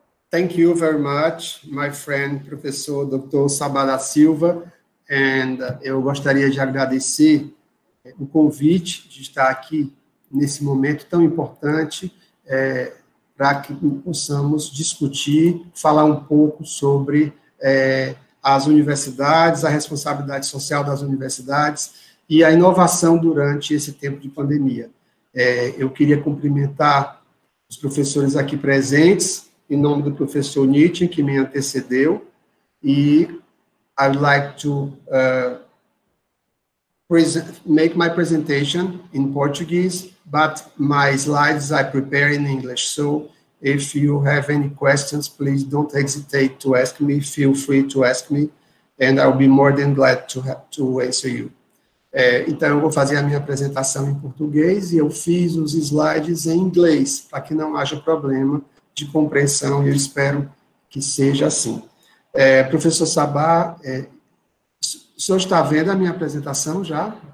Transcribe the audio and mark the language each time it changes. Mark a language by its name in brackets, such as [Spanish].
[English] Thank you very much, my friend, Professor Dr. Sabará Silva. [Portuguese] And eu gostaria de agradecer o convite de estar aqui nesse momento tão importante para que possamos discutir, falar um pouco sobre as universidades, a responsabilidade social das universidades e a inovação durante esse tempo de pandemia. Eu queria cumprimentar os professores aqui presentes, em nome do professor Nietzsche, que me antecedeu, e [English] I'd like to make my presentation in Portuguese, but my slides I prepare in English. So if you have any questions, please don't hesitate to ask me. Feel free to ask me, and I'll be more than glad to answer you. [Portuguese] Então, eu vou fazer a minha apresentação em português e eu fiz os slides em inglês, para que não haja problema de compreensão, e eu espero que seja assim. Professor Sabá, o senhor está vendo a minha apresentação já?